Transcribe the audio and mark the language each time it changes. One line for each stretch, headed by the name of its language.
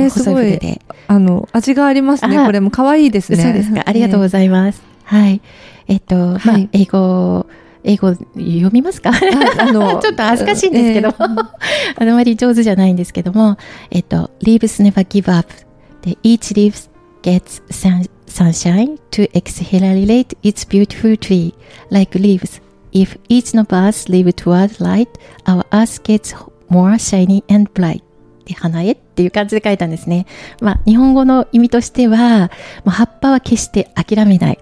Japanese: ね、すごい味がありますね、これも可愛いですね。そうですか、ありがとうございます、はい、まあ、はい、英語読みますか？ちょっと恥ずかしいんですけど、あまり上手じゃないんですけども、
English: Leaves never give up. Each leaf gets sunshine to exhalate its beautiful tree like leaves. If each of us live toward light, our earth gets more shiny and bright.
Japanese: で、花へっていう感じで書いたんですね。まあ、日本語の意味としては、もう葉っぱは決して諦めない。